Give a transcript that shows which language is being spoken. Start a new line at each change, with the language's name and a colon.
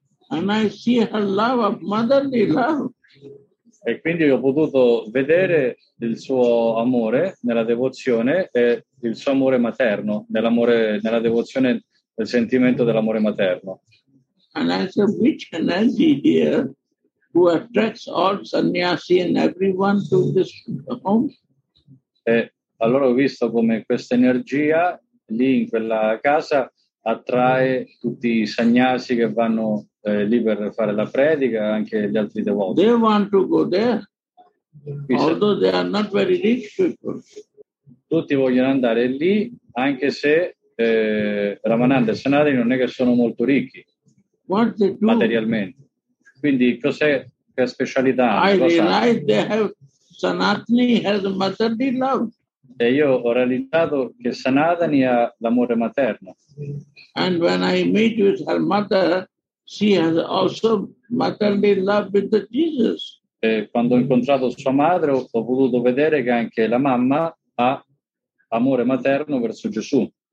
English: And I see her love of motherly love.
Italian: E quindi ho potuto vedere il suo amore nella devozione e il suo amore materno, nell'amore, nella devozione, nel sentimento dell'amore materno.
English: And I said, which energy here who attracts all sannyasi and everyone to this home?
Italian: E allora ho visto come questa energia lì in quella casa attrae tutti i sannyasi che vanno lì per fare la predica, anche gli altri devoti.
English: They want to go there, although they are not very rich people.
Italian: Tutti vogliono andare lì, anche se Ramananda e Sanatani non è che sono molto ricchi, materialmente. Quindi cos'è che specialità?
English: Sanatani has motherly love.
Italian: E io ho realizzato che Sanatani ha l'amore materno.
English: And when I meet with her mother, she has also motherly love with the Jesus.
Italian: E quando ho incontrato sua madre, ho potuto vedere che anche la mamma ha amore materno verso Gesù.